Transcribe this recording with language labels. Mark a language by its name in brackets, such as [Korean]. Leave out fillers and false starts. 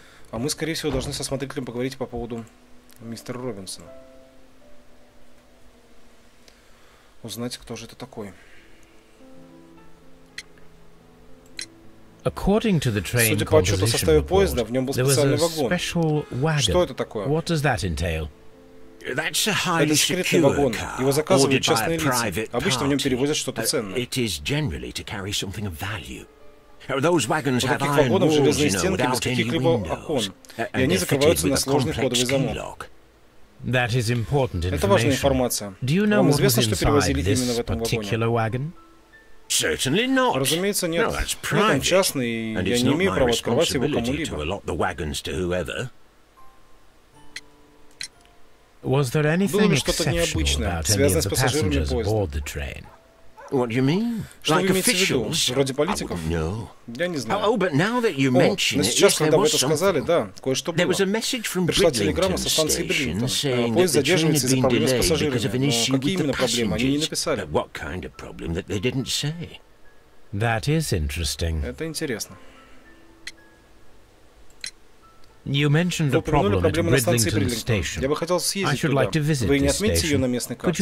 [Russian] А мы, скорее всего, должны со смотрителем поговорить по поводу мистера Робинсона. Узнать, кто же это такой. [English] According to the train [Russian] Судя по отчету составе поезда, в нем был специальный вагон. Что это такое? [English] What does that entail? That's a highly secure car, [Russian] его заказывают частные лица. Обычно в нем перевозят что-то ценное. [English] It is generally to carry something of value. Those wagons have iron walls, you know, without any windows, [Russian] и они закрываются на сложный кодовый замок. [English] That is important information. [Russian] Это важная информация. [English] Do you know what was inside this particular wagon? Certainly not. [Russian] Разумеется, нет. [English] No, that's private. [Russian] Нет, частный, [English] and it's not my responsibility to allot the wagons to whoever. Was there anything exceptional about any of the passengers aboard the train? What do you mean? [Russian] Что [English] like [Russian] вы имеете [English] officials? [Russian] В виду? Вроде политиков? [English] No. [Russian] Я не знаю. [English] Oh, but now that you mention [Russian] it, сейчас, когда вы это сказали, да, кое-что было. [English] There was a message from Bridlington station saying that the train had been delayed because of an issue with the passengers. But what kind of problem that they didn't say? That is interesting. [Russian] Это интересно. [English] You mentioned a problem at Bridlington station. [Russian] Я бы хотел съездить туда. [English] I should like to visit this station. [Russian] Вы не отметите ее на местной карте?